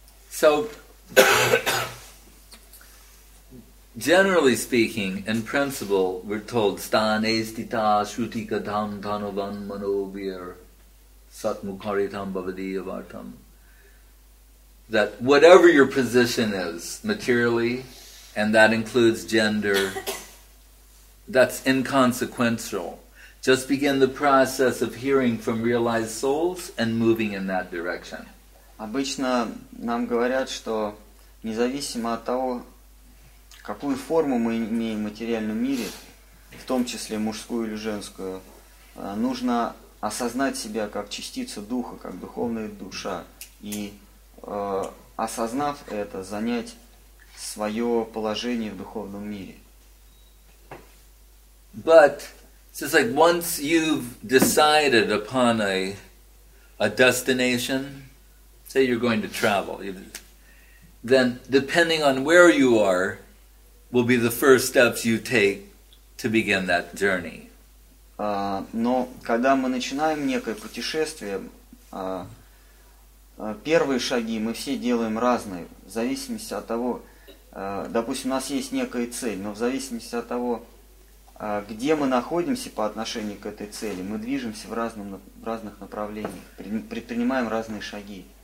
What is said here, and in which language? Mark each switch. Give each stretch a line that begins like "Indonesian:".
English: So, generally speaking, in principle, we're told
Sanskrit: sthane stita shrutikatam dhanavan manobhir satmukharitam bhavadiyavartam,
English: that whatever your position is materially, and that includes gender, that's inconsequential. Just begin the process of hearing from realized souls and moving in that direction.
Russian: Обычно нам говорят, что независимо от того, какую форму мы имеем в материальном мире, в том числе мужскую или женскую, нужно осознать себя как частицу духа, как духовная душа, и осознав это, занять свое положение в духовном мире.
English: But so it's like once you've decided upon a destination, say you're going to travel, then depending on where you are will be the first steps you take to begin that journey.
Russian: Но когда мы начинаем некое путешествие, первые шаги мы все делаем разные, в зависимости от того, допустим, у нас есть некая цель, но в зависимости от того, где мы находимся по отношению к этой цели, мы движемся в разных направлениях, предпринимаем разные шаги.